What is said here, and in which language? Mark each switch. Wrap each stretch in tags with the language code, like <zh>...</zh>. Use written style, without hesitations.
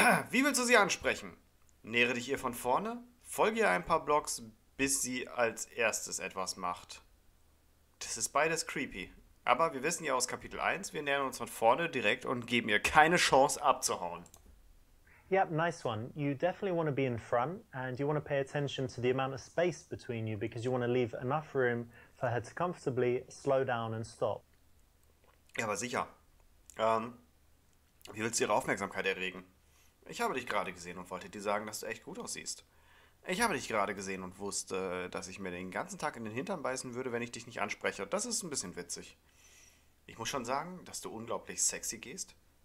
<de>Wie willst du sie ansprechen? Nähere dich ihr von vorne, folge ihr ein paar Blocks, bis sie als erstes etwas macht. Das ist beides creepy. Aber wir wissen ja aus Kapitel 1, wir nähern uns von vorne direkt und geben ihr keine Chance abzuhauen.</de> <en>Yep, nice one. You definitely want to be in front and you want to pay attention to the amount of space between you because you want to leave enough room for her to comfortably slow down and stop.</en> <de>Ja, aber sicher. Wie willst du ihre Aufmerksamkeit erregen? Ich habe dich gerade gesehen und wollte dir sagen, dass du echt gut aussiehst. Ich habe dich gerade gesehen und wusste, dass ich mir den ganzen Tag in den Hintern beißen würde, wenn ich dich nicht anspreche. Das ist ein bisschen witzig. Ich muss schon sagen, dass du unglaublich sexy gehst.</de>